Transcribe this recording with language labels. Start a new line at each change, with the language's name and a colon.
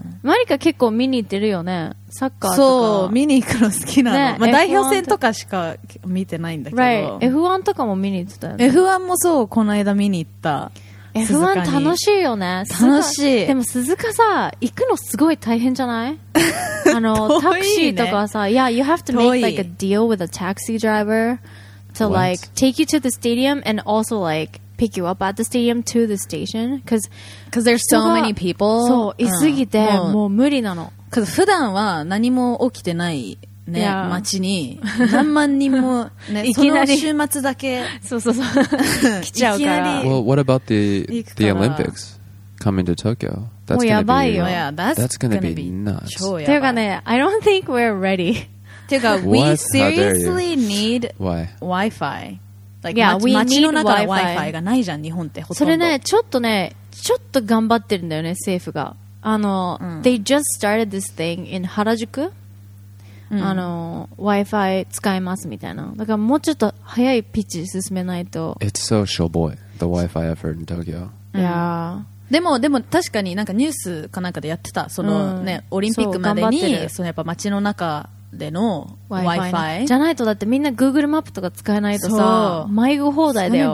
Japanese: マリカ結構見に行ってるよね。サッカーとか。そう、見に行くの好きなの。ね、まあ、代表戦とかしか見てないんだけど。
English: Right.
Japanese: F1 とかも見に行ってたよね。 F1 もそう、この間見に行った。 F1 楽しいよね。楽しい。でも鈴鹿さ、行くのすごい大変じゃない? あの、ね、タクシーとかさ、
English: Yeah, you have to make like a deal with a taxi driver to like take you to the stadium and also like,pick you up at the stadium to the station because there's so many people
Japanese: そういすぎて、うん、もう無理なの because 普段は何も起きてない、ね yeah. 街に何万人も、ね、いきなりその週末だけそうそうそう来ちゃうから
English: well what about the Olympics coming to Tokyo
Japanese: that's もうやばいよ
English: yeah, that's gonna be nuts
Japanese: ていうかね
English: I don't think we're ready ていうか we seriously need why Wi-Fi Like, yeah, we need Wi-Fi. 街
Japanese: の中 Wi-Fi がないじゃん、日本ってほとんど。それね、ちょっとね、ちょっと頑張ってるんだよね、政府が。あの、うん、
English: they just started this thing in
Japanese: 原宿、うん、あの、Wi-Fi 使えますみたいな。だからもうちょっと早いピッチ進めないと。
English: It's so showboy, the Wi-Fi effort in Tokyo. Yeah.
Japanese: でも確かになんかニュースかなんかでやってた、そのね、うん、オリンピックまでに、そのやっぱ街の中、での Wi-Fi じゃないとだってみんな Google マップとか使えないとさ迷子放題だよ